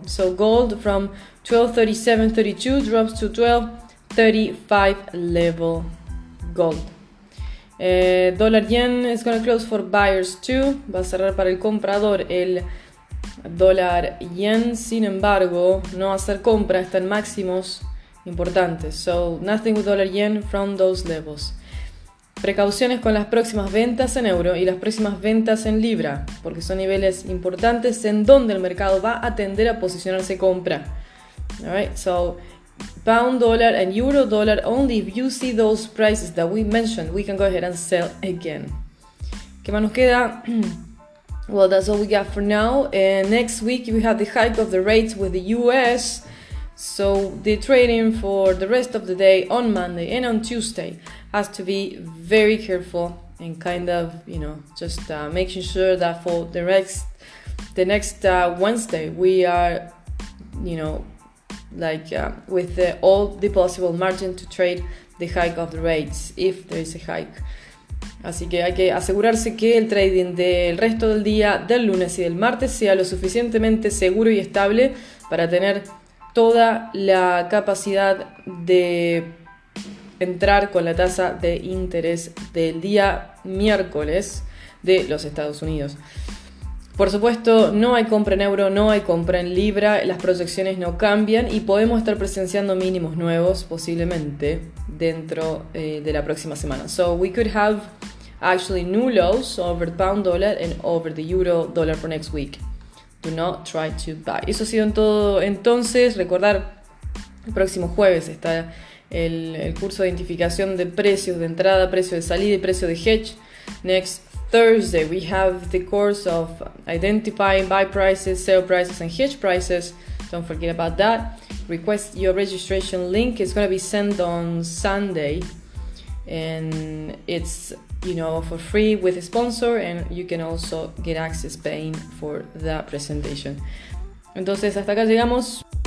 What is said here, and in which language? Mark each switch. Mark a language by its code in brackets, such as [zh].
[en] So gold from 1237.32 drops to 1235 level gold. Dollar yen is going to close for buyers too. [es] Va a cerrar para el comprador el dólar yen. Sin embargo, no va a hacer compra, está en máximos importantes. [en] So nothing with dollar yen from those levels. [es] Precauciones con las próximas ventas en euro y las próximas ventas en libra, porque son niveles importantes en donde el mercado va a tender a posicionarse compra. [en] Alright, so pound dollar and euro dollar only if you see those prices that we mentioned, we can go ahead and sell again. [es] ¿Qué más nos queda? [en] Well, that's all we got for now. Next week we have the hike of the rates with the US. So the trading for the rest of the day on Monday and on Tuesday has to be very careful and kind of, just making sure that for the next Wednesday we are, with all the possible margin to trade the hike of the rates, if there is a hike. [es] Así que hay que asegurarse que el trading del resto del día, del lunes y del martes, sea lo suficientemente seguro y estable para tener toda la capacidad de entrar con la tasa de interés del día miércoles de los Estados Unidos. Por supuesto, no hay compra en euro, no hay compra en libra, las proyecciones no cambian y podemos estar presenciando mínimos nuevos posiblemente dentro de la próxima semana. [en] So we could have actually new lows over the pound dollar and over the euro dollar for next week. Do not try to buy. [es] Eso ha sido en todo entonces. Recordar, el próximo jueves está el curso de identificación de precios de entrada, precio de salida y precio de hedge. [en] Next Thursday we have the course of identifying buy prices, sell prices and hedge prices. Don't forget about that. Request your registration link. It's going to be sent on Sunday and it's for free with a sponsor, and you can also get access paying for that presentation. [es] Entonces, hasta acá llegamos.